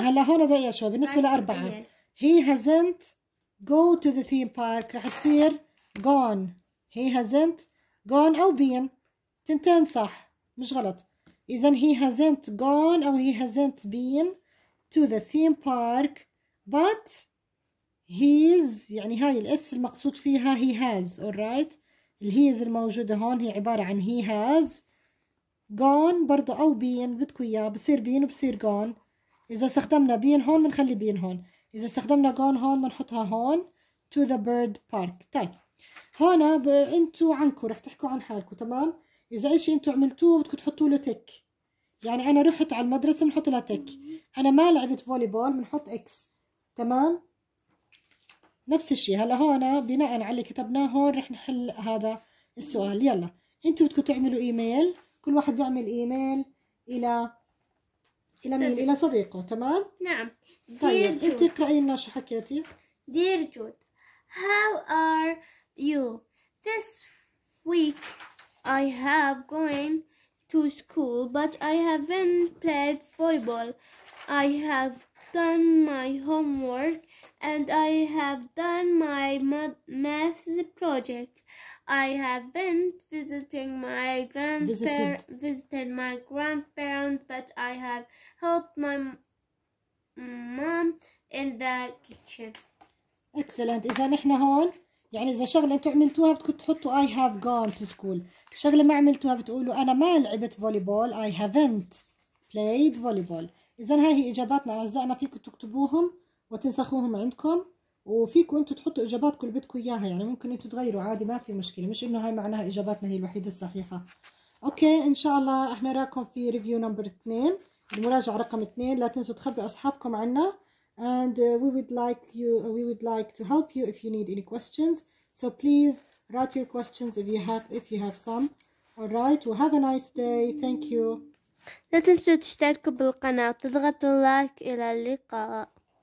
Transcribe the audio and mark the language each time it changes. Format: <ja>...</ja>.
<ar>هلا هون ضيع شوي بالنسبة لأربعة.</ar> <en>he hasn't go to the theme park</en> <ar>رح تصير</ar> <en>gone. he hasn't gone</en> <ar>أو been، تنتين صح مش غلط. إذا</ar> <en>he hasn't gone</en> <ar>أو</ar> <en>he hasn't been to the theme park but</en> <ar>هيز، يعني هاي الاس المقصود فيها هي هاز. اورايت الهيز الموجوده هون هي عباره عن هي هاز gone برضه أو been بدكو إياه، بصير been وبصير gone. إذا استخدمنا been هون بنخلي been هون، إذا استخدمنا gone هون بنحطها هون.</ar> <en>to the bird park.</en> <ar>طيب هون انتو عنكو رح تحكوا عن حالكو، تمام؟ إذا إشي انتو عملتوه بدكو تحطوا له تك، يعني أنا رحت على المدرسة بنحط لها تك، أنا ما لعبت فولي بول بنحط إكس، تمام؟ نفس الشيء. هلا هون بناء على اللي كتبناه هون رح نحل هذا السؤال. يلا انتو بدكو تعملوا إيميل، كل واحد بيعمل إيميل إلى مين؟ إلى صديقه، تمام؟ نعم. طيب انت اقرأي لنا شو حكيتي.</ar> <en>Dear Jude, how are you? This week I have going to school, but I haven't played volleyball. I have done my homework and I have done my math project. I have been visiting my grandparents, but I have helped my mom in the kitchen. Excellent.</en> <ar>إذا نحن هون يعني إذا شغلة أنتوا عملتوها بتكون تحطوا</ar> <en>I have gone to school،</en> <ar>شغلة ما عملتوها بتقولوا أنا ما لعبت volleyball،</ar> <en>I haven't played volleyball.</en> <ar>إذا هاي هي إجاباتنا أعزائنا، فيكم تكتبوهم وتنسخوهم عندكم، وفيكم أنتوا تحطوا إجاباتكم اللي بدكم إياها، يعني ممكن أنتوا تغيروا عادي ما في مشكلة، مش إنه هاي معناها إجاباتنا هي الوحيدة الصحيحة. أوكي إن شاء الله إحنا راكم في ريفيو نمبر 2، المراجعة رقم 2، لا تنسوا تخبروا أصحابكم عنا.</ar> <en>And we would like to help you if you need any questions. So please write your questions if you have some. All right. Well, have a nice day. Thank you.</en> <ar>لا تنسوا تشتركوا بالقناة، تضغطوا لايك. إلى اللقاء.</ar>